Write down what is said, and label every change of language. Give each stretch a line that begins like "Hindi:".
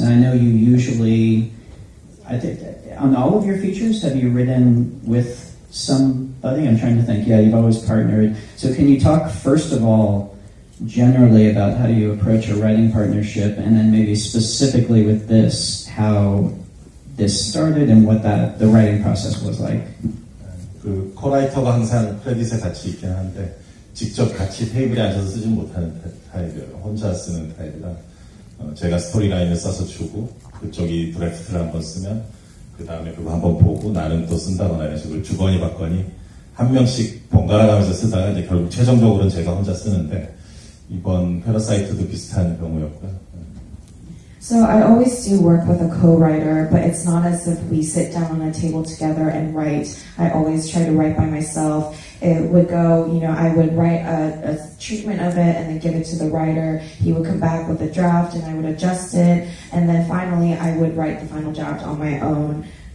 English: And I know you usually, I think, on all of your features, have you written with somebody? I'm trying to think. Yeah, you've always partnered. So can you talk, first of all, generally about how do you approach a writing partnership, and then maybe specifically with this, how this started and what that the writing process was like?
Korean: 그 코라이터가 항상 크레딧에 같이 있긴 한데 직접 같이 테이블에 앉아서 쓰지 못하는 타입이에요. 혼자 쓰는 타입이라 제가 스토리라인을 써서 주고 그쪽이 드래프트를 한번 쓰면 그 다음에 그거 한번 보고 나는 또 쓴다거나 이런 식으로 주거니 받거니 한 명씩 번갈아가면서 쓰다가 이제 결국 최종적으로는 제가 혼자 쓰는데 이번 패러사이트도 비슷한 경우였고요.
English: So I always do work with a co-writer, but it's not as if we sit down on a table together and write. I always try to write by myself. It would go, you know, I would write a treatment of it and then give it to the writer. He would come back with a draft and I would adjust it. And then finally, I would write the final draft on my own.